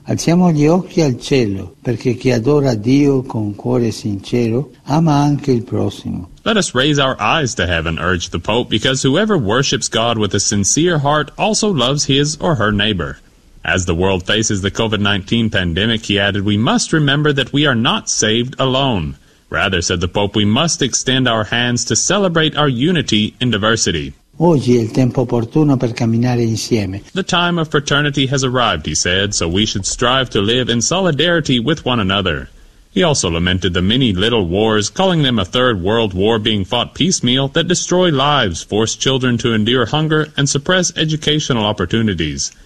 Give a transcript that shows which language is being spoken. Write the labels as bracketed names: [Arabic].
[Italian] Alziamo gli occhi al cielo, perché chi adora Dio con cuore sincero ama anche il prossimo. [English] Let us raise our eyes to heaven, urged the Pope, because whoever worships God with a sincere heart also loves his or her neighbor. As the world faces the COVID-19 pandemic, he added, we must remember that we are not saved alone. Rather, said the Pope, we must extend our hands to celebrate our unity in diversity. [Italian] Oggi è il tempo opportuno per camminare insieme. [English] The time of fraternity has arrived, he said, so we should strive to live in solidarity with one another. He also lamented the many little wars, calling them a third world war being fought piecemeal, that destroy lives, force children to endure hunger, and suppress educational opportunities.